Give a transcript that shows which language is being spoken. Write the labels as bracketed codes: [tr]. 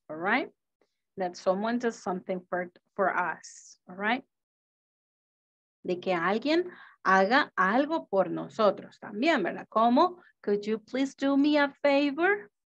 [en] All right, that someone does something for us. All right. [es] De que alguien haga algo por nosotros también, ¿verdad? [en] Como, could you please do me a favor?